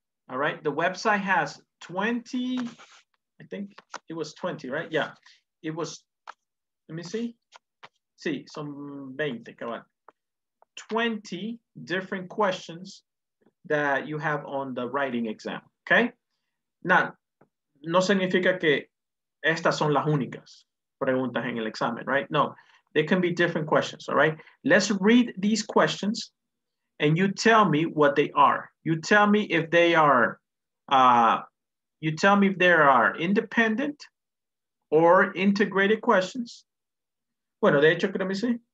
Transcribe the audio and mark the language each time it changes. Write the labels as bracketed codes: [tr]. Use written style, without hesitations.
[en] All right, the website has 20, I think it was 20, right? Yeah, it was, let me see. See, some 20, come on. 20 different questions that you have on the writing exam, okay? Now, [es] no significa que estas son las únicas preguntas en el examen, [en] right? No. There can be different questions, all right? Let's read these questions and you tell me what they are. You tell me if they are, you tell me if there are independent or integrated questions. [es] Bueno, de hecho, [en] let me see.